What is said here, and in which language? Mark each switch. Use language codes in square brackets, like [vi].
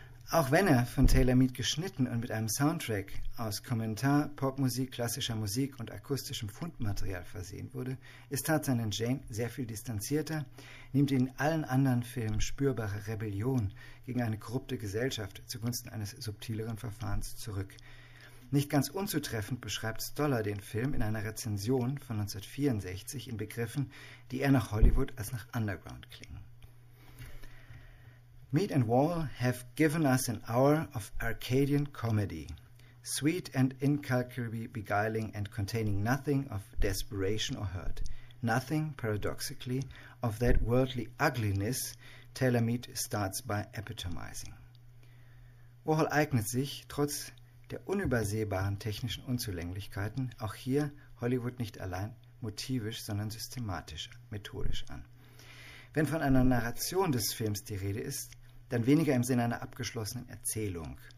[de] Auch wenn er von Taylor Mead geschnitten und mit einem Soundtrack aus Kommentar, Popmusik, klassischer Musik und akustischem Fundmaterial versehen wurde, ist Tarzan & Jane sehr viel distanzierter, nimmt in allen anderen Filmen spürbare Rebellion gegen eine korrupte Gesellschaft zugunsten eines subtileren Verfahrens zurück. Nicht ganz unzutreffend beschreibt Stoller den Film in einer Rezension von 1964 in Begriffen, die eher nach Hollywood als nach Underground klingen. [en] Mead and Warhol have given us an hour of Arcadian comedy, sweet and incalculably beguiling and containing nothing of desperation or hurt, nothing, paradoxically, of that worldly ugliness Taylor Mead starts by epitomizing. [de] Warhol eignet sich, trotz der unübersehbaren technischen Unzulänglichkeiten, auch hier Hollywood nicht allein motivisch, sondern systematisch, methodisch an. Wenn von einer Narration des Films die Rede ist, dann weniger im Sinne einer abgeschlossenen Erzählung.